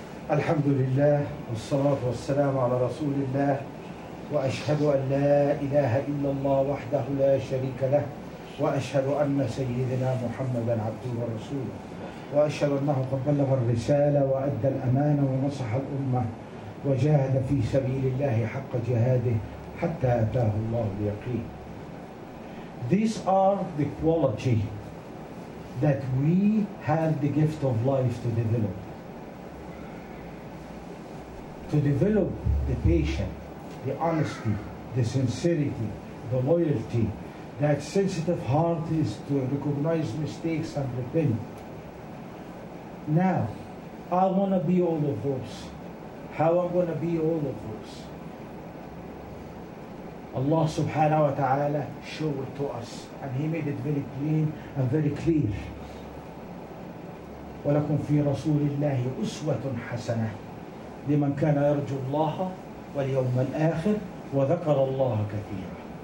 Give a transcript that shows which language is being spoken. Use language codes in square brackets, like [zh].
[ar] الحمد لله والصلاة والسلام على رسول الله وأشهد أن لا إله إلا الله وحده لا شريك له وأشهد أن سيدنا محمدا عبده ورسوله وأشهد أنه قد بلغ الرسالة وأدى الأمانة ونصح الأمة وجاهد في سبيل الله حق جهاده حتى أتاه الله اليقين. [en] These are the quality that we have the gift of life to develop. To develop the patience, the honesty, the sincerity, the loyalty, that sensitive heart is to recognize mistakes and repent. Now, I want to be all of those. How am I going to be all of those? Allah subhanahu wa ta'ala showed it to us, and He made it very plain and very clear. [ar] وَلَكُمْ فِي رَسُولِ اللَّهِ أُسْوَةٌ حَسَنَةٌ لمن كان يرجو الله واليوم الآخر وذكر الله كثيرا.